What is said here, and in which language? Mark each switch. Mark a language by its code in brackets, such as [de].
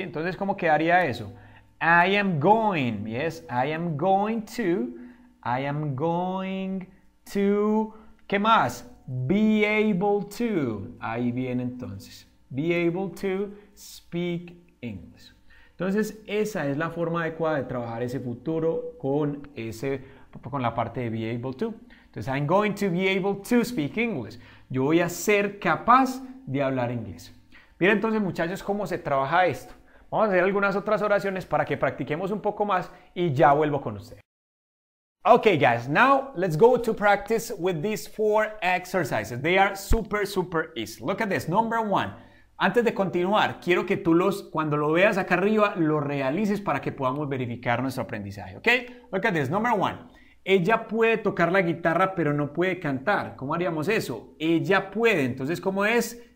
[es] Entonces, ¿cómo quedaría eso? [en] I am going, yes, I am going to, [es] ¿qué más? [en] Be able to, [es] ahí viene entonces, [en] be able to speak English. [es] Entonces, esa es la forma adecuada de trabajar ese futuro con ese, con la parte de be able to. [en] Entonces, I'm going to be able to speak English. [es] Yo voy a ser capaz de hablar inglés. Miren entonces, muchachos, cómo se trabaja esto. Vamos a hacer algunas otras oraciones para que practiquemos un poco más y ya vuelvo con ustedes. [en] Okay, guys, now let's go to practice with these four exercises. They are super, super easy. Look at this. Number one. [es] Antes de continuar, quiero que tú los, cuando lo veas acá arriba, lo realices para que podamos verificar nuestro aprendizaje. Okay? [en] Look at this. Number one. [es] Ella puede tocar la guitarra, pero no puede cantar. ¿Cómo haríamos eso? Ella puede. Entonces, ¿cómo es?